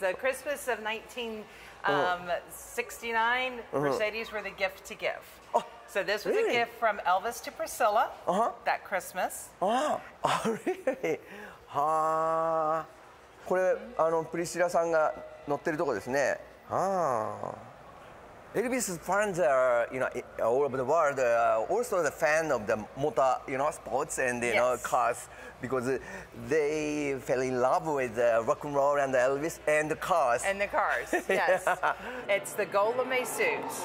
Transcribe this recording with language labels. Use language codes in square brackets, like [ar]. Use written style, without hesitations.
[en] The Christmas of 1969, Mercedes were the gift to give. So this was a gift from Elvis to Priscilla that Christmas. Really? [ja] はあ、これあのプリシラさんが乗ってるとこですね。はあ。 [en] Elvis's fans are, you know, all over the world, also the fan of the motor, you know, sports and, you know, cars, because they fell in love with rock and roll and Elvis and the cars. And the cars, yes. It's the Golemé suit.